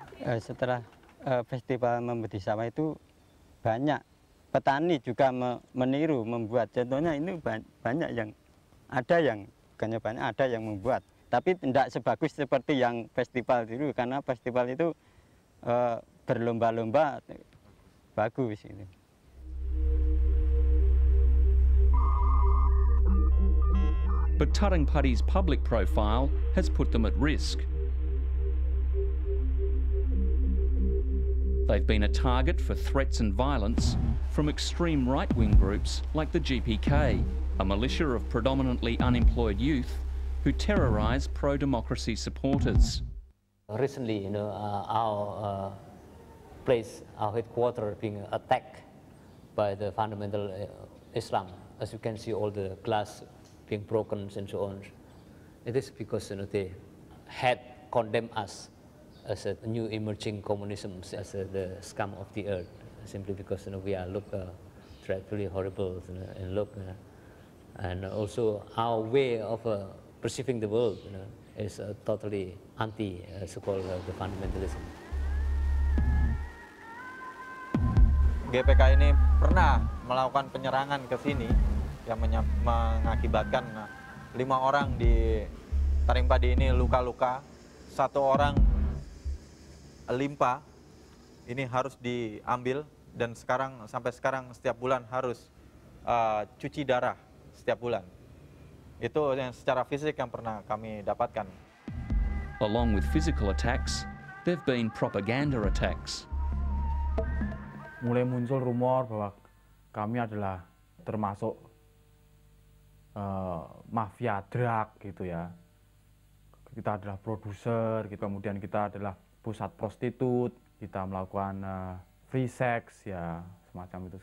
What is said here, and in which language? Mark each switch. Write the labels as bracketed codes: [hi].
[id] Setelah festival membedi sawah itu banyak petani juga meniru membuat, contohnya ini banyak yang ada yang banyak ada yang membuat, tapi tidak sebagus seperti yang festival dulu karena festival itu berlomba-lomba bagus ini. [en] But Tarang Padi's public profile has put them at risk. They've been a target for threats and violence from extreme right-wing groups like the GPK, a militia of predominantly unemployed youth who terrorise pro-democracy supporters. Recently, you know, our place, our headquarters being attacked by the fundamental Islam. As you can see, all the glass being broken and so on. It is because, you know, they had condemned us as a new emerging communism, as the scum of the earth, simply because, you know, we are look dreadfully horrible and look. And also our way of perceiving the world, you know, is totally anti so-called the fundamentalism. [id] GPK ini pernah melakukan penyerangan ke sini yang mengakibatkan 5 orang di Taring Padi ini luka-luka, 1 orang limpa ini harus diambil, dan sekarang sampai sekarang setiap bulan harus cuci darah setiap bulan. Itu yang secara fisik yang pernah kami dapatkan. [en] Along with physical attacks, there've been propaganda attacks. [id] Mulai muncul rumor bahwa kami adalah termasuk mafia drug gitu ya. Kita adalah produser, gitu. Kemudian kita adalah pusat prostitut, kita melakukan free sex, ya semacam itu.